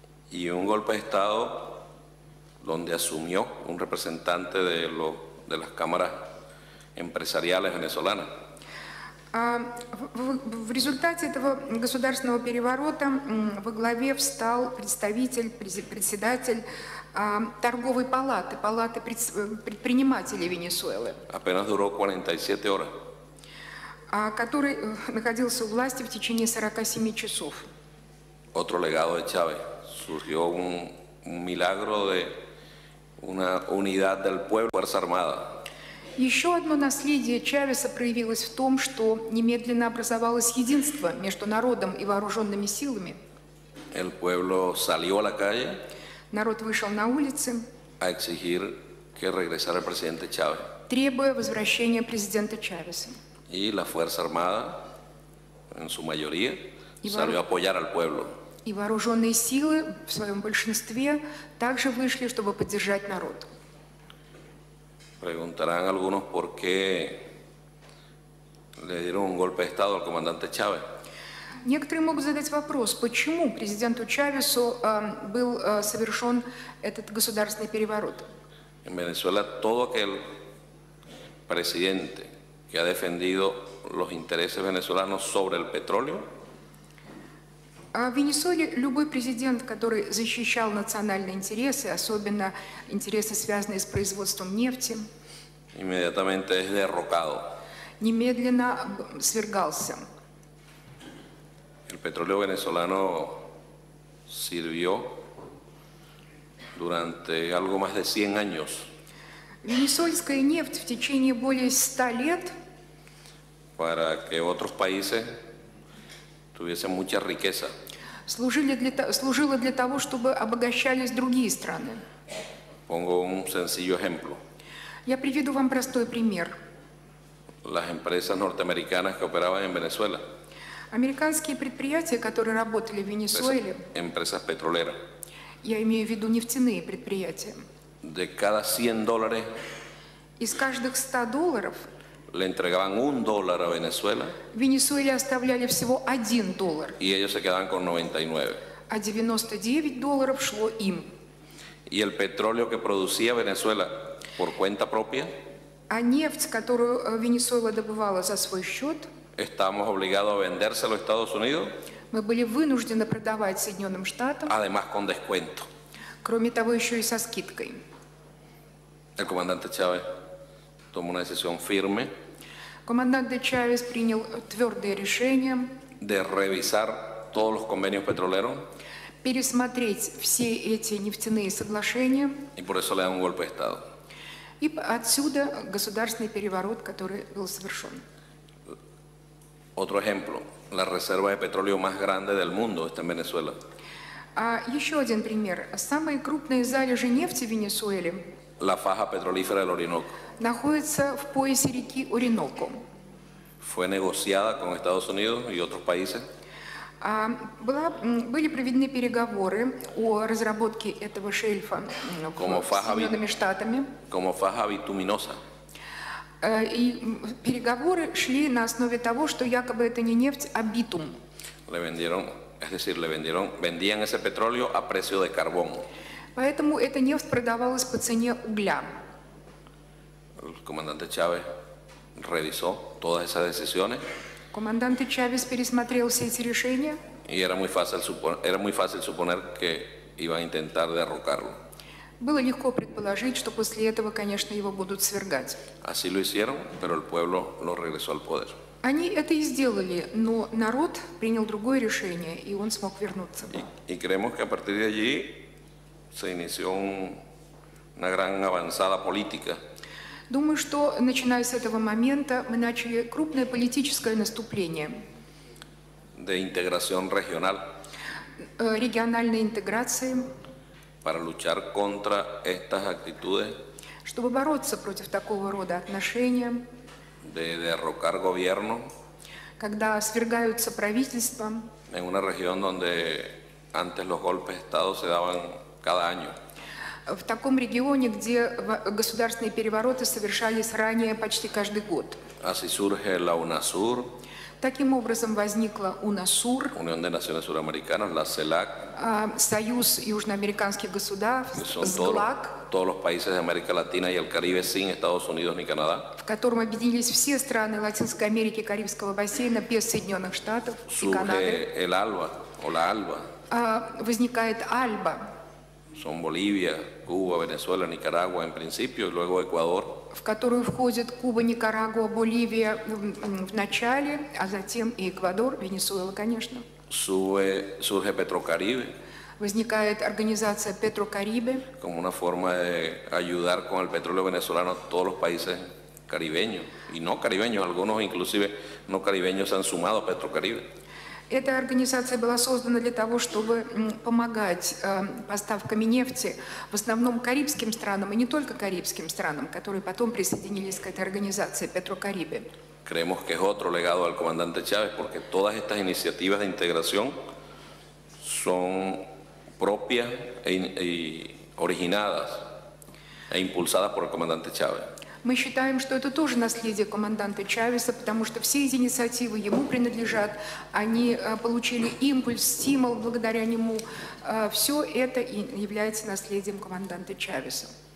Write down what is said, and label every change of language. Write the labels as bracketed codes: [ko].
[es] Y un golpe de Estado donde asumió un representante de los de las cámaras empresariales venezolanas. [ru] В результате этого государственного переворота во главе встал председатель торговой палаты, палаты предпринимателей Венесуэлы. [es] Apenas duró 47 horas. [ru] Который находился у власти в течение 47 часов. [es] Otro legado de Chávez. Surgió un milagro de una unidad del pueblo, fuerza armada. [ru] Еще одно наследие Чавеса проявилось в том, что немедленно образовалось единство между народом и вооруженными силами. [es] El pueblo salió a la calle. [ru] Народ вышел на улицы. [es] A exigir que regresara el presidente Chávez. [ru] Требуя возвращения президента Чавеса. [es] Y la fuerza armada, en su mayoría, salió a apoyar al pueblo. [ru] И вооруженные силы в своем большинстве также вышли, чтобы поддержать народ. [es] Preguntarán algunos por qué le dieron un golpe de Estado al comandante Chávez. [ru] Некоторые могут задать вопрос, почему президенту Чавесу был совершен этот государственный переворот. [es] En Venezuela todo aquel presidente que ha defendido los intereses venezolanos sobre el petróleo. [ru] В Венесуэле любой президент, который защищал национальные интересы, особенно интересы, связанные с производством нефти, [es] inmediatamente es derrocado. [ru] Немедленно свергался. [es] El petróleo venezolano sirvió durante algo más de 100 años. [ru] Венесуэльская нефть в течение более 100 лет [es] para que otros países tuviesen mucha riqueza. [ru] Служила для того, чтобы обогащались другие страны. [es] Pongo un sencillo ejemplo. [ru] Я приведу вам простой пример. [es] Las empresas norteamericanas que operaban en Venezuela. [ru] Американские предприятия, которые работали в Венесуэле. [es] Empresas petroleras. [ru] Я имею в виду нефтяные предприятия. [es] De cada 100 dólares. [ru] Из каждых 100 долларов. [es] Le entregaban un dólar a Venezuela. [ru] В Венесуэле оставляли всего один доллар. [es] Y ellos se quedaban con 99. [ru] А 99 долларов шло им. [es] Y el petróleo que producía Venezuela por cuenta propia. [ru] А нефть, которую Венесуэла добывала за свой счет. [es] Estamos obligados a vendérselo a Estados Unidos. [ru] Мы были вынуждены продавать Соединенным Штатам. [es] Además con descuento. [ru] Кроме того, еще и со скидкой. [es] El comandante Chávez tomó una decisión firme. [ru] Comandante Chávez принял твердое решение. [es] De revisar todos los convenios petroleros. [ru] Пересмотреть все эти нефтяные соглашения. [es] Y por eso le dan un golpe de Estado. [ru] И отсюда государственный переворот, который был совершен. [es] Otro ejemplo, la reserva de petróleo más grande del mundo está en Venezuela. [ru] Еще один пример. Самые крупные залежи нефти в Венесуэле. [es] La faja petrolífera del Orinoco. [ru] Находится в поясе реки Ориноко. [es] Fue negociada con Estados Unidos y otros países. [ru] Были проведены переговоры о разработке этого шельфа Соединенными Штатами. [es] Como faja bituminosa. [ru] И переговоры шли на основе того, что якобы это не нефть, а битум. [es] Le vendieron, es decir, le vendieron, vendían ese petróleo a precio de carbón. [ru] Поэтому эта нефть продавалась по цене угля. [es] El comandante Chávez revisó todas esas decisiones. [ru] Comandante Chávez пересмотрел все эти решения. [es] Y era muy fácil suponer que iban a intentar derrocarlo. [ru] Было легко предположить, что после этого, конечно, его будут свергать. [es] Así lo hicieron, pero el pueblo lo regresó al poder. [ru] Они это и сделали, но народ принял другое решение, и он смог вернуться. [es] Y creemos que a partir de allí se inició una gran avanzada política. [ru] Думаю, что начиная с этого момента мы начали крупное политическое наступление. [es] De integración regional. [ru] Региональной интеграции. [es] Para luchar contra estas actitudes. [ru] Чтобы бороться против такого рода отношений. [es] De derrocar gobierno. [ru] Когда свергаются правительства. [es] En una región donde antes los golpes de Estado se daban cada año. [ru] В таком регионе, где государственные перевороты совершались ранее почти каждый год. [es] Así surge la UNASUR. [ru] Таким образом возникла UNASUR. [es] Unión de Naciones Suramericanas, la CELAC. [ru] Союз южноамериканских государств, СГЛАК. [es] Todos los países de América Latina y el Caribe sin Estados Unidos ni Canadá. [ru] В котором объединились все страны Латинской Америки и Карибского бассейна без Соединенных Штатов и Канады. [es] Surge el ALBA o la ALBA. [ru] Возникает ALBA. [es] Son Bolivia, Cuba, Venezuela, Nicaragua en principio y luego Ecuador. [ru] В которую входят Куба, Никарагуа, Боливия в начале, а затем и Эквадор, Венесуэла, конечно. [es] Surge Petrocaribe. [ru] Возникает организация Petrocaribe. [es] Como una forma de ayudar con el petróleo venezolano a todos los países caribeños y no caribeños, algunos inclusive no caribeños se han sumado a Petrocaribe. [ru] Эта организация была создана для того, чтобы помогать поставками нефти в основном карибским странам, и не только карибским странам, которые потом присоединились к этой организации Petrocaribe. [es] Creemos que es otro legado al comandante Chávez, porque todas estas iniciativas de integración son propias y originadas e impulsadas por el comandante Chávez. [ru] Мы считаем, что это тоже наследие команданта Чавеса, потому что все эти инициативы ему принадлежат, они получили импульс, стимул благодаря нему. Все это является наследием команданта Чавеса.